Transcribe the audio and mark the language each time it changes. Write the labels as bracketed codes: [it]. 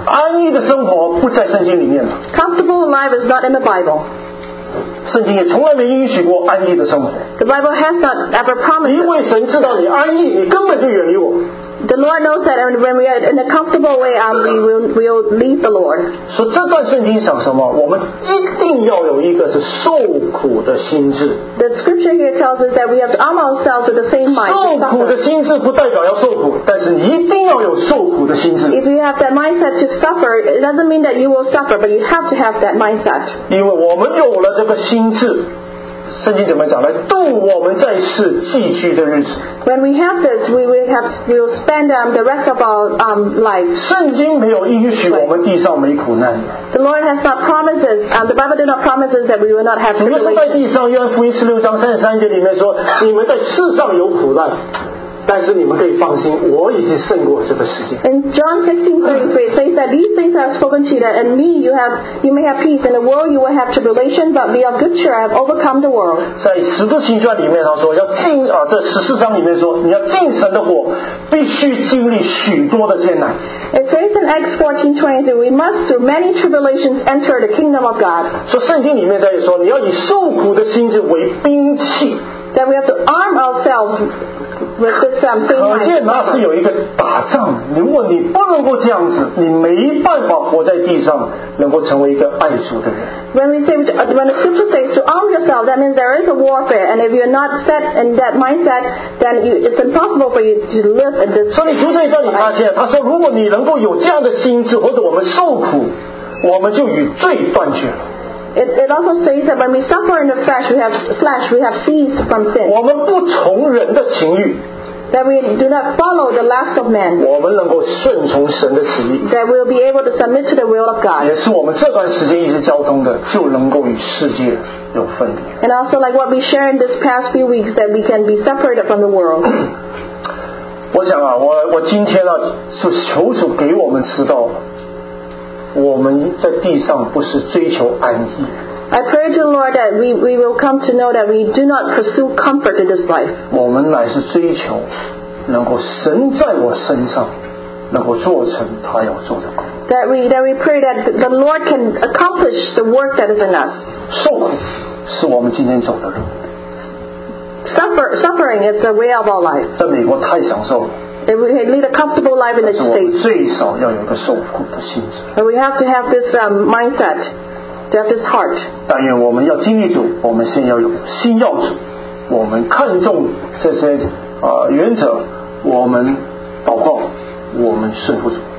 [zh] 安逸的生活不在圣经里面了。 [en] Comfortable life is not in the Bible. [zh] 圣经也从来没允许过安逸的生活。 [en] The Bible has not ever promised. [zh] 因为神知道你安逸，你根本就远离我。 [en] The Lord knows that when we are in a comfortable way, we will leave the Lord. [zh] 所以这段圣经讲什么？我们一定要有一个是受苦的心智。 [en] The Scripture here tells us that we have to arm ourselves with the same mind. [zh] 受苦的心智不代表要受苦，但是你一定要有受苦的心智。 [en] If you have that mindset to suffer, it doesn't mean that you will suffer, but you have to have that mindset. [zh] 因为我们有了这个心智。圣经怎么讲？来度我们在世寄居的日子。 [en] When we have this, we will spend the rest of our life. [zh] 圣经没有应许我们地上没苦难。 [en] The Lord has not promised us. The Bible did not promise us that we will not have tribulation. [zh] 主耶稣在地上，约翰福音十六章三十三节里面说：“你们在世上有苦难。” 但是你们可以放心，我已经胜过这个世界。 [en] In John 16:33 says that these things I have spoken to you, that in me you may have peace. In the world you will have tribulation, but be of good cheer. I have overcome the world. [zh] 在使徒行传里面，他说要进啊，这十四章里面说，你要进神的国，必须经历许多的艰难。 [en] It says in Acts 14:23 we must through many tribulations enter the kingdom of God. [zh] 所以圣经里面在说，你要以受苦的心智为兵器。 [en] That we have to arm ourselves with this same thing. [zh] 可见那是有一个打仗。如果你不能够这样子，你没办法活在地上，能够成为一个爱主的人。 [en] When we say, when the scripture says to arm yourself, that means there is a warfare. And if you're not set in that mindset, then it's impossible for you to live in this. [zh] 所以读这一段，你发现他说，如果你能够有这样的心智，或者我们受苦，我们就与罪断绝。 [en] It also says that when we suffer in the flesh, we have ceased from sin. [zh] 我们不从人的情欲。 [en] That we do not follow the lust of men. [zh] 我们能够顺从神的旨意。 [en] That we'll be able to submit to the will of God. [zh] 也是我们这段时间一直交通的，就能够与世界有分别。 [en] And also, like what we shared in this past few weeks, that we can be separated from the world. [zh] 我想啊，我今天呢、啊，是求主给我们知道。我们在地上不是追求安逸。 [en] I pray to the Lord that we will come to know that we do not pursue comfort in this life. [zh] 我们乃是追求能够神在我身上能够做成他要做的工。 [en] That we pray that the Lord can accomplish the work that is in us. [zh] 受苦是我们今天走的路。 [en] Suffering is the way of our life. [zh] 在美国太享受了。 [en] And we lead a comfortable life in the States. [zh] 最少要有个受苦的心智。 [en] And we have to have this mindset, to have this heart. [zh] 但愿我们要经历主，我们先要有心要主，我们看重这些原则，我们祷告，我们顺服主。